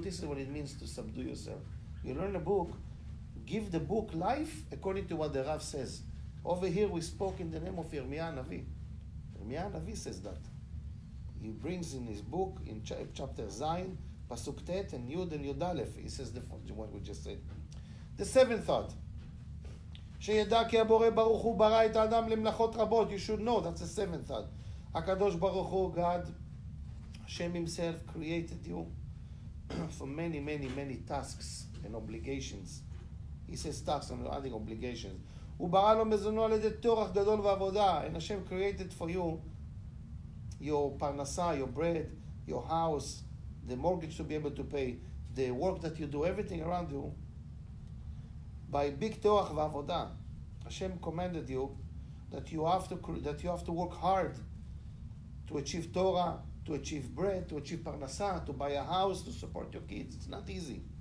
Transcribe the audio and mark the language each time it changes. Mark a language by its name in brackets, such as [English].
[English] This is what it means to subdue yourself. You learn a book, give the book life according to what the Rav says. Over here we spoke in the name of Yirmiyah Navi. Yirmiyah Navi says that. He brings in his book, in chapter Zayin, Pasuk Tet, and Yud and Yud Aleph. He says the one we just said. The seventh thought. [Hebrew] שידע כי הבורא ברוך הוא ברא את האדם למלאכות רבות. [English] You should know, that's the seventh thought. הקדוש ברוך הוא, God, Hashem himself created you for many, many, many tasks and obligations. He says tasks, I'm adding obligations. [Hebrew] הוא ברא לו מזונו על ידי תורח גדול ועבודה. [English] And Hashem created for you your parnasa, your bread, your house, the mortgage to be able to pay, the work that you do, everything around you, by big toach v'avodah. Hashem commanded you that you have to work hard to achieve Torah, to achieve bread, to achieve parnasa, to buy a house, to support your kids. It's not easy.